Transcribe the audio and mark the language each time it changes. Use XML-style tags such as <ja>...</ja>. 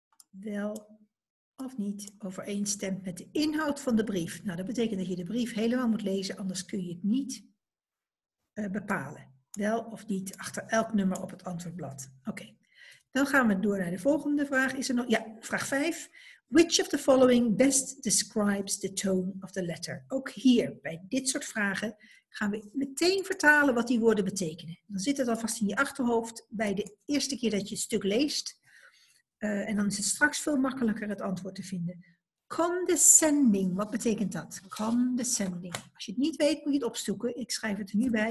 <nl>Wel of niet overeenstemt met de inhoud van de brief. Nou, dat betekent dat je de brief helemaal moet lezen, anders kun je het niet bepalen. Wel of niet achter elk nummer op het antwoordblad. Oké, dan gaan we door naar de volgende vraag. Is er nog? Ja, vraag 5.</nl> <en>Which of the following best describes the tone of the letter?</en> <nl>Ook hier, bij dit soort vragen, gaan we meteen vertalen wat die woorden betekenen. Dan zit het alvast in je achterhoofd bij de eerste keer dat je het stuk leest. En dan is het straks veel makkelijker het antwoord te vinden. Condescending, wat betekent dat? Condescending. Als je het niet weet, moet je het opzoeken. Ik schrijf het er nu bij.</nl>